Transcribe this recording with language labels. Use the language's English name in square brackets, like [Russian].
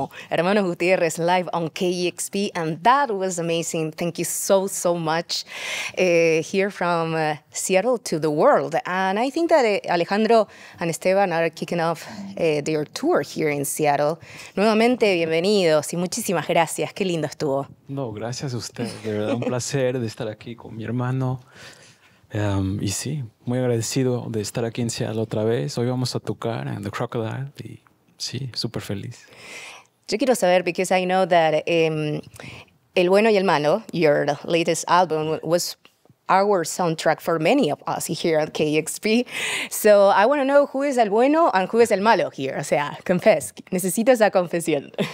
[English] Hermanos Gutiérrez live on KEXP, and that was amazing. Thank you so, so much. Here from Seattle to the world. And I think that Alejandro and Estevan are kicking off their tour here in Seattle. [Spanish] Nuevamente, bienvenidos y muchísimas gracias. Qué lindo estuvo. No, gracias a usted. De verdad, un placer de estar aquí con mi hermano. Y sí, muy agradecido de estar aquí en Seattle otra vez. Hoy vamos a tocar en The Crocodile y sí, súper feliz. Yo quiero saber, [English] because I know that El Bueno Y El Malo, your latest album, was our soundtrack for many of us here at KEXP. So I want to know who is El Bueno and who is El Malo here. [Spanish] O sea, confess. Necesito esa confesión.